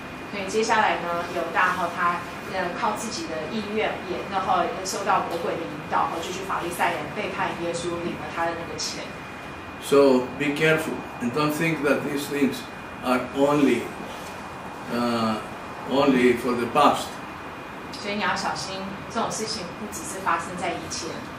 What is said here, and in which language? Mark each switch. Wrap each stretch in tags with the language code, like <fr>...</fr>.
<zh>所以接下来呢，犹大哈他靠自己的意愿也然后受到魔鬼的引导，哈就去法利赛人背叛耶稣，领了他的那个钱。</zh> <en>So be careful and don't think that these things are only for the past.</en> <zh>所以你要小心，这种事情不只是发生在以前。</zh>